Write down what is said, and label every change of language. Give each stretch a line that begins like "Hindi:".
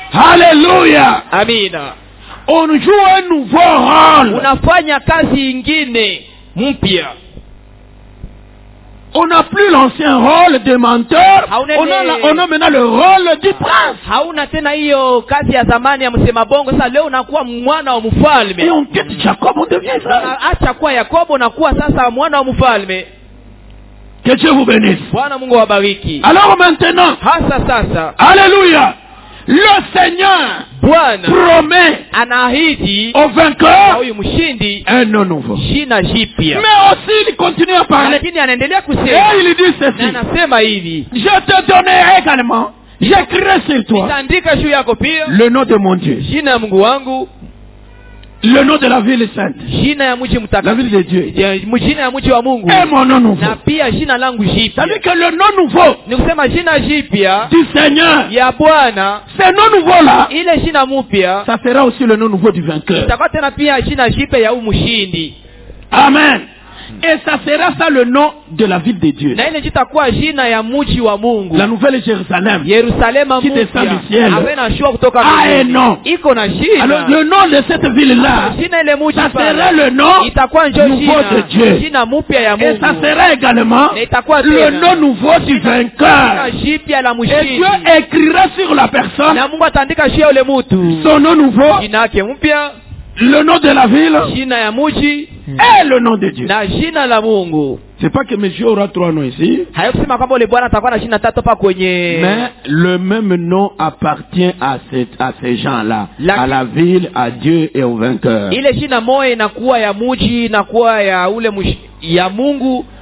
French: Hallelujah. Amina. On joue un nouveau rôle.
Swahili: Unafanya kazi ingine mpya.
French: On n'a plus l'ancien rôle de menteur. On a maintenant le rôle du prince.
Swahili: Hauna tena hiyo kazi ya zamani ya msema bongo. Sasa leo unakuwa mwana wa mfalme.
French: Et on quitte Jacob, on devient Israël.
Swahili: Acha kuwa Yakobo, unakuwa sasa mwana wa mfalme.
French: Que Dieu vous bénisse.
Swahili: Bwana Mungu awabariki.
French: Alors maintenant.
Swahili: Hasa sasa.
French: Alléluia. Le Seigneur.
Swahili: Bwana.
French: Promet.
Swahili: Anaahidi.
French: Au vainqueur.
Swahili: Na huyu mshindi.
French: Un nom nouveau.
Swahili: Jina jipya.
French: Mais aussi il continue à parler.
Swahili: Lakini anaendelea kusema.
French: Et il dit ceci.
Swahili: Na anasema hivi.
French: Je te donnerai également. J'écrirai sur toi.
Swahili: Nitaandika juu yako pia.
French: Le nom de mon Dieu.
Swahili: Jina ya Mungu wangu.
French: Le nom de la ville sainte.
Swahili: Jina ya mji mtakatifu.
French: La ville de Dieu.
Swahili: Jina ya mji wa Mungu.
French: Et mon nom nouveau.
Swahili: Na pia jina langu jipya.
French: C'est-à-dire que le nom nouveau.
Swahili: Ni kusema jina jipya.
French: Du Seigneur.
Swahili: Ya Bwana.
French: Ce nom nouveau là.
Swahili: Ile jina mpya.
French: Ça sera aussi le nom nouveau du vainqueur.
Swahili: Itakuwa tena pia jina jipya ya huyu mshindi. Amen.
French: Et ça sera ça le nom de la ville de Dieu.
Swahili: Na ile jitakuwa jina ya mji wa Mungu.
French: La nouvelle Jérusalem.
Swahili: Yerusalemu mpya.
French: Qui descend du ciel.
Swahili: Amen, ashua kutoka mbinguni.
French: Ah, non.
Swahili: Iko na jina.
French: Alors le nom de cette ville là.
Swahili: Jina ile mji.
French: Ça sera le nom.
Swahili: Itakuwa njo jina.
French: Nouveau de Dieu.
Swahili: Jina mpya ya Mungu.
French: Et ça sera également.
Swahili: Itakuwa
French: le nom nouveau du vainqueur.
Swahili: Jina jipya la mshindi.
French: Et Dieu écrira sur la personne.
Swahili: Na Mungu atandika juu ya ule mtu.
French: Son nom nouveau.
Swahili: Jina yake mpya.
French: Le nom de la ville.
Swahili: Jina ya mji.
French: Et le nom de Dieu.
Swahili: Na jina la Mungu.
French: C'est pas que monsieur aura trois noms ici.
Swahili: Hayo kusema kwamba ule bwana atakuwa na jina tatu pa kwenye.
French: Mais le même nom appartient à ces gens-là, à la ville, à Dieu et au vainqueur.
Swahili: Ile jina moja inakuwa ya mji na kuwa ya ule ya Mungu